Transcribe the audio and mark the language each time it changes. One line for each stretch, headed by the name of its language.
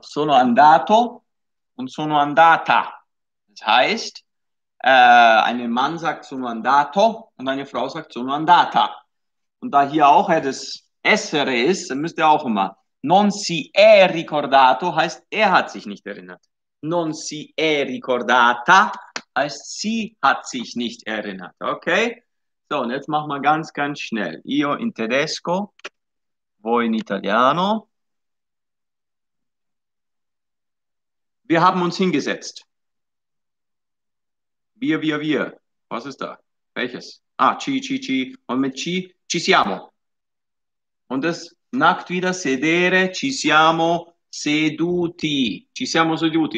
Italian: Sono andato und sono andata.
German: Das heißt, ein Mann sagt
Italian: sono andato
German: und eine Frau sagt
Italian: sono andata.
German: Und da hier auch das Essere ist, dann müsst ihr auch immer.
Italian: Non si è ricordato
German: heißt, er hat sich nicht erinnert.
Italian: Non si è ricordata
German: heißt, sie hat sich nicht erinnert. Okay? So, und jetzt machen wir ganz, ganz schnell.
Italian: Io in tedesco, voi in italiano.
German: Wir haben uns hingesetzt. Wir, wir, wir. Was ist da? Welches? Ah, ci, ci, ci.
Italian: Und mit ci, ci siamo.
German: Und das nackt wieder
Italian: sedere, ci siamo seduti. Ci siamo seduti.